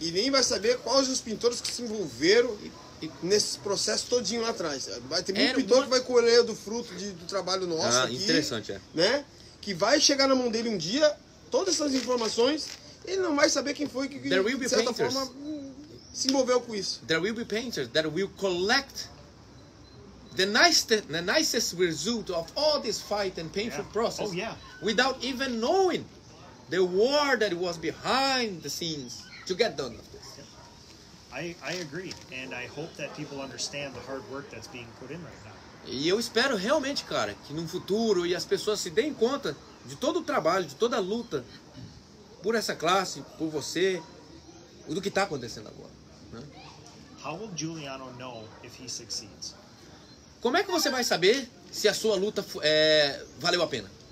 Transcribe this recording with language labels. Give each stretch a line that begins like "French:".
Portuguese: E nem vai saber quais os pintores que se envolveram nesse processo todinho lá atrás. Vai ter muito pintor que vai colher do fruto do trabalho nosso aqui. Ah, interessante, né? Que vai chegar na mão dele um dia, todas essas informações, ele não vai saber quem foi que, de certa forma, se envolveu com isso.
English: There will be painters that will collect the nicest result of all this fight and painful process without even knowing the war that was behind the scenes to get done with this. I agree, and I hope that people understand the hard work that's being put in right now.
Portuguese: E eu espero realmente, cara, que no futuro e as pessoas se deem conta de todo o trabalho, de toda a luta por essa classe, por você, do que está acontecendo agora. Né?
English: How will Giuliano know if he succeeds?
Portuguese: Como é que você vai saber se a sua luta valeu a pena?